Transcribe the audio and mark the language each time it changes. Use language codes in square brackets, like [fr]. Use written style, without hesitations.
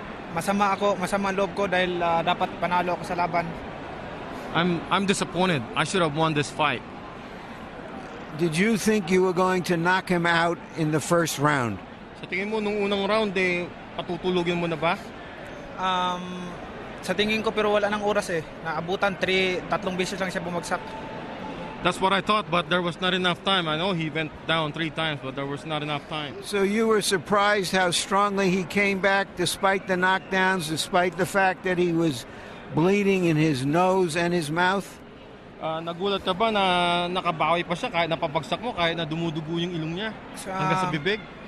[tl] Masama ako, masama ang loob ko dahil dapat panalo ako sa laban. [en] I'm disappointed. I should have won this fight. Did you think you were going to knock him out in the first round? [tl] Sa tingin mo nung unang round eh, patutulugin mo na ba? Sa tingin ko pero wala nang oras eh. Naabutan, tatlong beses lang siya bumagsak. [en] That's what I thought, but there was not enough time. I know he went down three times, but there was not enough time. So you were surprised how strongly he came back despite the knockdowns, despite the fact that he was bleeding in his nose and his mouth? [tl] Nagulat ka ba na nakabawi pa siya kahit napabagsak mo, kahit na dumudugo yung ilong niya hanggang sa bibig?